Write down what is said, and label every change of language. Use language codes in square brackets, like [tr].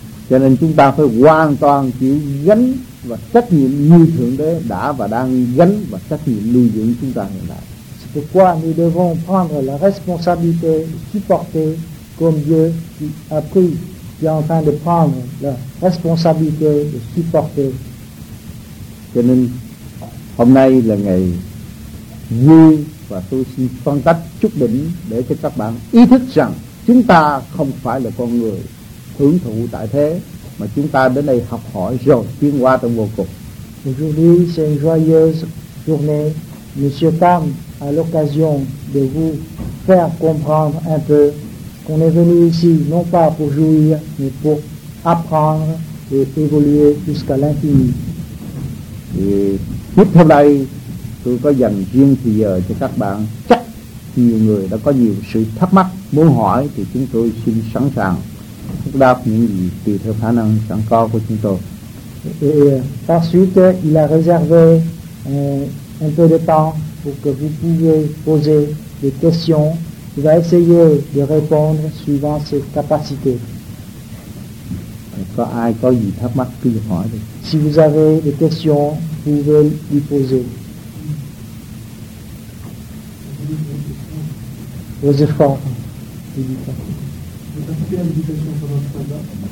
[vi] Cho nên chúng ta phải hoàn toàn chịu gánh và trách nhiệm như Thượng Đế đã và đang gánh và trách nhiệm nuôi dưỡng chúng ta hiện tại. [fr] C'est pourquoi nous devons prendre la responsabilité de supporter comme Dieu qui a pris, qui est en train de prendre la responsabilité de supporter. [vi] Cho nên hôm nay là ngày vui và tôi xin phân tách chút đỉnh để cho các bạn ý thức rằng chúng ta không phải là con người hưởng thụ tại thế mà chúng ta đến đây học hỏi rồi tiến hóa trong vô cùng. [fr] Aujourd'hui c'est une joyeuse journée. Monsieur Tam a l'occasion de vous faire comprendre un peu qu'on est venu ici non pas pour jouir mais pour apprendre et évoluer jusqu'à l'infini. [vi] Tiếp theo đây tôi có dành riêng thời giờ cho các bạn. Chắc nhiều người đã có nhiều sự thắc mắc muốn hỏi thì chúng tôi xin sẵn sàng phúc đáp những gì tùy theo khả năng sẵn có của chúng tôi. [fr] Et par suite, il a réservé un peu de temps pour que vous puissiez poser des questions. Il va essayer de répondre suivant ses capacités. [vi] Có ai có gì thắc mắc cứ hỏi đi. [fr] Si vous avez des questions, vous pouvez lui poser. Aux efforts. Vous avez fait la méditation sur votre tabac.